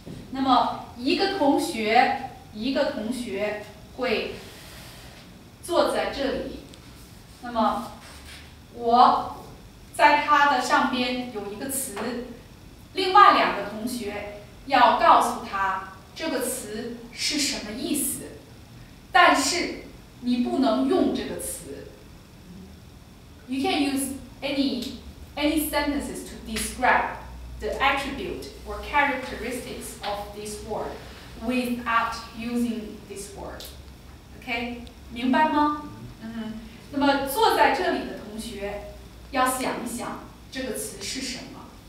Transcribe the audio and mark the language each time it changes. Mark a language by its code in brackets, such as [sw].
[zh] 那么一个同学会坐在这里，那么我在他的上边有一个词，另外两个同学。要告诉他这个词是什么意思，但是你不能用这个词。 [en] You can't use any sentences to describe the attribute or characteristics of this word without using this word. [zh] Okay? 明白吗？那么坐在这里的同学要想一想这个词是什么。